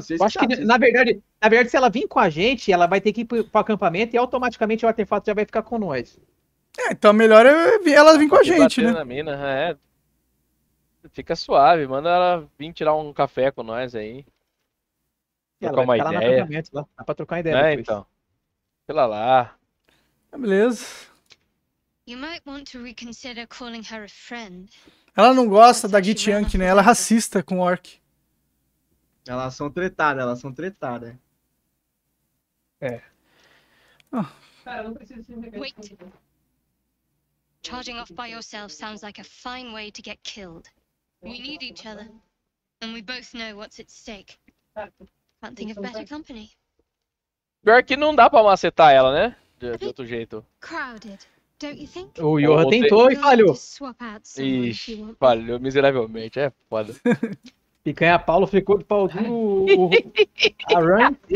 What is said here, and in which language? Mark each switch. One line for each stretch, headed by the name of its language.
Portuguese: Eu acho que, na verdade, se ela vir com a gente, ela vai ter que ir pro acampamento e automaticamente o artefato já vai ficar com nós. É, então melhor é ela vir com a gente, né? Na mina, é. Fica suave, manda ela vir tirar um café com nós aí. Trocar uma ideia. Lá no lá. Dá pra trocar uma ideia. É, então. Sei lá. É, beleza.
English: You might want to reconsider calling her a friend.
Portuguese: Ela não gosta da Git Yank, né? Ela é racista com o Orc. Elas são tretadas. É. Cara, não precisa se enganar.
English: Wait. Charging off by yourself sounds like a fine way to get killed. We need each other. And we both know what's at stake. Can't think of better company.
Portuguese: Pior que não dá pra macetar ela, né? De outro jeito.
English: Crowded.
Portuguese: O Yoha tentou e falhou. Ixi, falhou miseravelmente, é foda. Picanha Paulo ficou de pau duro. A Run?